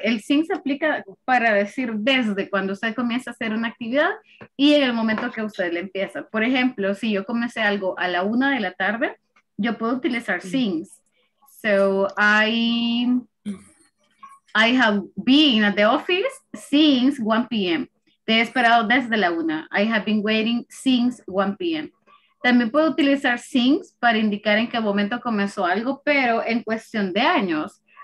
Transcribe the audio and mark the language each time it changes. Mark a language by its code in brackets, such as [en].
[es] El since aplica para decir desde cuando usted comienza a hacer una actividad y en el momento que usted le empieza. Por ejemplo, si yo comencé algo a la 1 de la tarde, yo puedo utilizar since. [en] So I have been at the office since 1 p.m. [es] Te he esperado desde la 1. [en] I have been waiting since 1 p.m. [es] También puedo utilizar since para indicar en qué momento comenzó algo, pero en cuestión de años.